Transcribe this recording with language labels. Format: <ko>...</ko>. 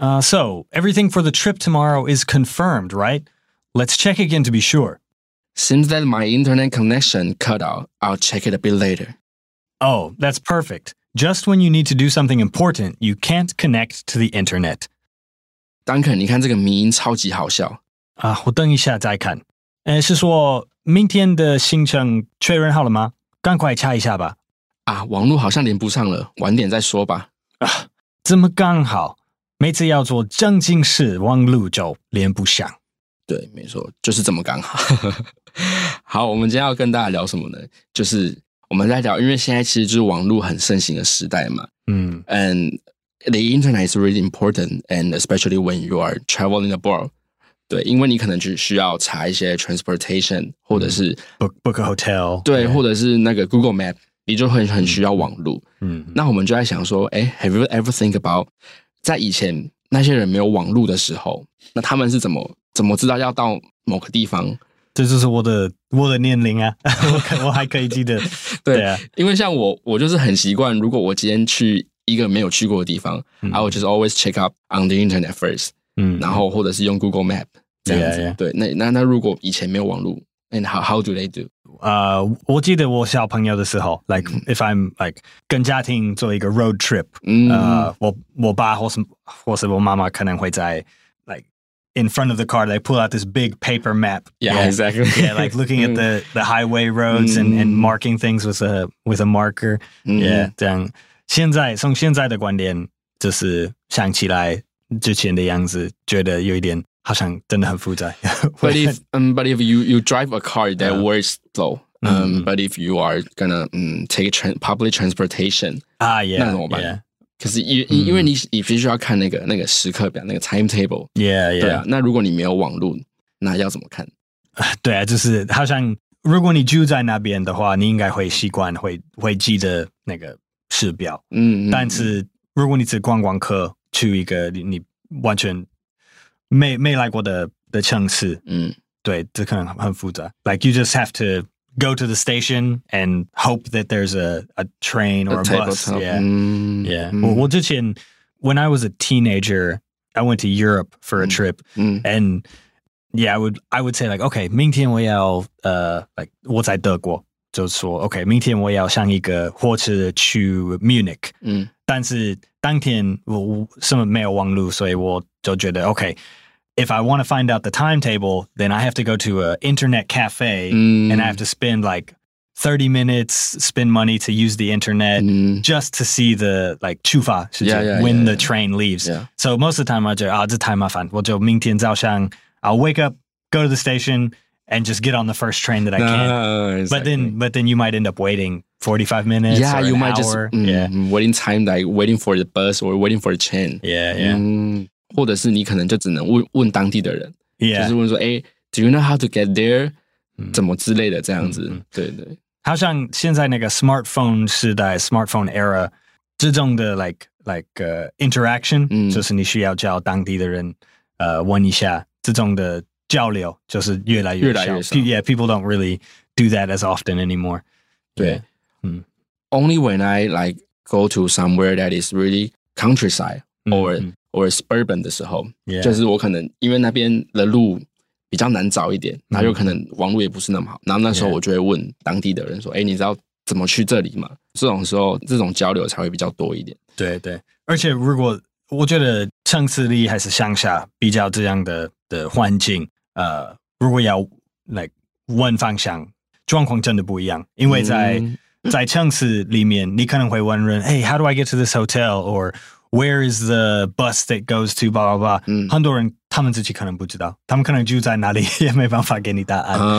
<en>So, everything for the trip tomorrow is confirmed, right? Let's check again to be sure. Seems that my internet connection cut out. I'll check it a bit later. Oh, that's perfect. Just when you need to do something important, you can't connect to the internet.</en> <zh>Duncan, 你看这个迷因超级好笑。啊，我等一下再看。是说明天的行程确认好了吗？赶快查一下吧。啊，网络好像连不上了，晚点再说吧。啊，怎么刚好？每次要做正经事，网路就连不上。对，没错，就是这么刚好。好，我们今天要跟大家聊什么呢？就是我们在聊，因为现在其实就是网路很盛行的时代嘛。嗯</zh> <en>，And the internet is really important, and especially when you are traveling abroad.</en> <zh>对，因为你可能就需要查一些 transportation， 或者是、</zh> <en>book a hotel，</en> <zh>对，或者是那个 Google Map， 你就很需要网路。嗯，那我们就在想说，哎 ，</zh> <en>Have you ever think about？</en> <zh>在以前那些人没有网路的时候，那他们是怎么知道要到某个地方？这就是我的年龄啊，我还可以记得。对啊，因为像我就是很习惯，如果我今天去一个没有去过的地方，嗯、</zh> <en>I would just always check up on the internet first，嗯，</en> <zh>然后或者是用 Google Map 这样子。</zh> <en>Yeah, yeah.</en> <zh>对，那如果以前没有网路 ，</zh> <en>and how do they do？</en> <zh>我记得我小朋友的时候 ，like、嗯、</zh> <en>if I'm like</en> <zh>跟家庭做一个 road trip，嗯，我爸或是我妈妈可能会在</zh> <en>like in front of the car they pull out this big paper map， yeah， like, exactly， yeah， like looking at the highway roads、嗯、and marking things with a marker，、嗯、</en> <zh>yeah， 这样现在从现在的观点就是想起来之前的样子，觉得有一点。好像真的很复杂。</zh> <en>But if you drive a car that works though, but if you are gonna take public transportation, yeah,</en> <zh>那怎么办？可是因为你必须要看那个时刻表，那个 timetable.</zh> <en>Yeah, yeah.</en> <zh>对啊，那如果你没有网络，那要怎么看？对啊，就是好像如果你住在那边的话，你应该会习惯会记得那个时表。嗯、mm-hmm. ，但是如果你只观光客去一个你完全。没来过的城市，嗯，对，这可能很复杂。</zh> <en>Like you just have to go to the station and hope that there's a train or a bus. Yeah,、 yeah. 嗯、</en> <zh>我之前</zh> <en>when I was a teenager, I went to Europe for a trip,、嗯、 and yeah, I would say like, okay,</en> <zh>明天我要like 我在德国，就说 okay, 明天我要上一个火车去 Munich. 嗯，但是当天我什么没有网路，所以我就觉得</zh> <en>okay, if I want to find out the timetable, then I have to go to an internet cafe、 mm. and I have to spend like 30 minutes, spend money to use the internet、 mm. just to see the, like,</en> <zh>出发</zh> <en>yeah, yeah, when yeah, the yeah. train leaves.、 Yeah. So most of the time, I just, ah, this time, I'm fine.</en> <zh>我就明天早上</zh> <en>I'll wake up, go to the station, and just get on the first train that I can. No, exactly. But then you might end up waiting 45 minutes yeah, or you an might hour. Just,、mm, yeah, waiting time, like waiting for the bus or waiting for the train. Yeah, yeah.、 Mm.</en> <zh>或者是你可能就只能问当地的人、</zh> <en>yeah.</en> <zh>就是问说、欸、</zh> <en>Do you know how to get there?、</en> <zh>嗯、怎么之类的这样子、嗯、对对好像现在那个 smartphone 时代</zh> <en>smartphone era</en> <zh>这种的 interaction、嗯、就是你需要叫当地的人、问一下这种的交流就是越来越少</zh> <en>yeah, people don't really do that as often anymore</en> <zh>对、嗯、</zh> <en>Only when I like go to somewhere that is really countryside、嗯、or suburban</en> <zh>的时候、</zh> <en>yeah.</en> <zh>就是我可能因为那边的路比较难找一点、mm-hmm. 然后又可能网路也不是那么好然后那时候我就会问当地的人说、yeah. 欸、你知道怎么去这里吗这种时候这种交流才会比较多一点对对而且如果我觉得城市里还是乡下比较这样的环境如果要 like, 问方向状况真的不一样因为在、mm-hmm. 在城市里面你可能会问人</zh> <en>Hey, how do I get to this hotel? OrWhere is the bus that goes to blah blah blah?、嗯、</en> <zh>很多人他们自己可能不知道，他们可能住在哪里也没办法给你答案。</zh>